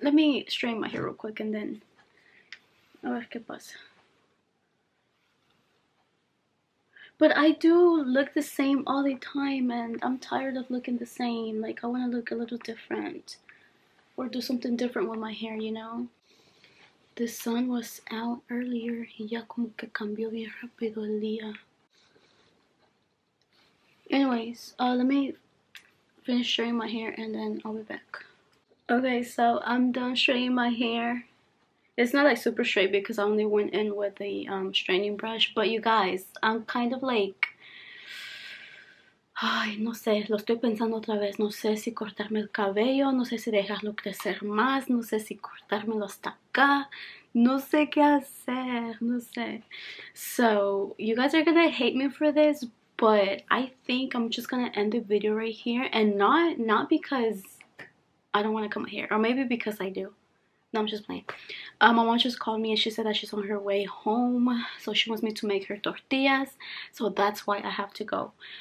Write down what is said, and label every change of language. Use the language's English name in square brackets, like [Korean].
[English] Let me straighten my hair real quick, and then, [Spanish] a ver qué pasa. [English] But I do look the same all the time, and I'm tired of looking the same. Like, I want to look a little different, or do something different with my hair, you know? The sun was out earlier, [Spanish] y ya como que cambió bien rápido el día. [English] Anyways, let me finish straightening my hair, and then I'll be back. Okay, so I'm done straightening my hair. It's not like super straight because I only went in with a straightening brush. But you guys, I'm kind of like, ay, [Spanish] no sé, lo estoy pensando otra vez. No sé si cortarme el cabello, no sé si dejarlo crecer más, no sé si cortármelo hasta acá. No sé qué hacer, no sé. [English] So, you guys are gonna hate me for this, but I think I'm just gonna end the video right here, and not because I don't want to cut my hair, or maybe because I do. No, I'm just playing. My mom just called me and she said that she's on her way home, so she wants me to make her tortillas, so that's why I have to go.